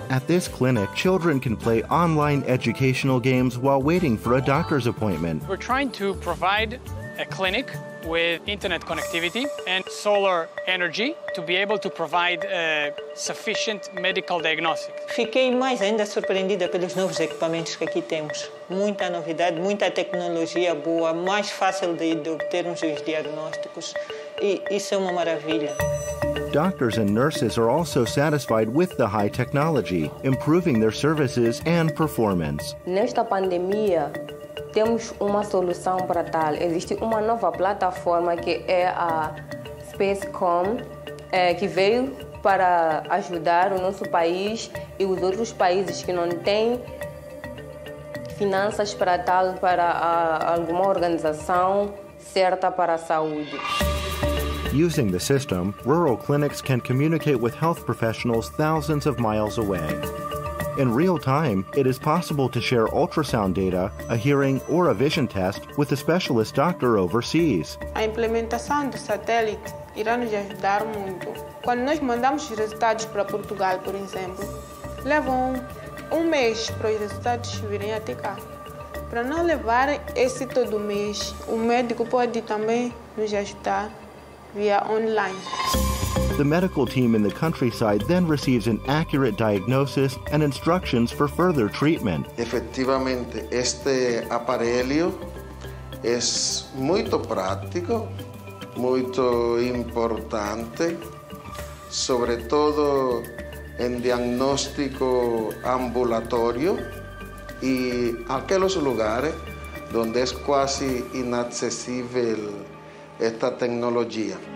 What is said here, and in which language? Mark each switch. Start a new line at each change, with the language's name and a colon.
English: At this clinic, children can play online educational games while waiting for a doctor's appointment. We're trying to provide a clinic with internet connectivity and solar energy to be able to provide a sufficient medical diagnostic.
Portuguese: Fiquei mais ainda surpreendida pelos novos equipamentos que aqui temos. Muita novidade, muita tecnologia boa, mais fácil de obtermos os diagnósticos. E isso é uma maravilha.
English: Doctors and nurses are also satisfied with the high technology, improving their services and performance.
Portuguese: Nesta pandemia, temos uma solução para tal. Existe uma nova plataforma que é a Spacecom, que veio para ajudar o nosso país e os outros países que não têm finanças para tal, para alguma organização certa para a saúde.
English: Using the system, rural clinics can communicate with health professionals thousands of miles away. In real time, it is possible to share ultrasound data, a hearing or a vision test with a specialist doctor overseas.
Portuguese: A implementação do satélite irá nos ajudar muito. Quando nós mandamos os resultados para Portugal, por exemplo, levam um mês para os resultados virem até cá. Para não levar esse todo mês, o médico pode também nos ajudar via online.
English: The medical team in the countryside then receives an accurate diagnosis and instructions for further treatment.
Spanish: Efectivamente,
Portuguese: este aparelho es muito prático, muito importante,
Spanish: sobre todo en diagnóstico ambulatorio y aquellos lugares donde es casi inaccesible esta tecnología.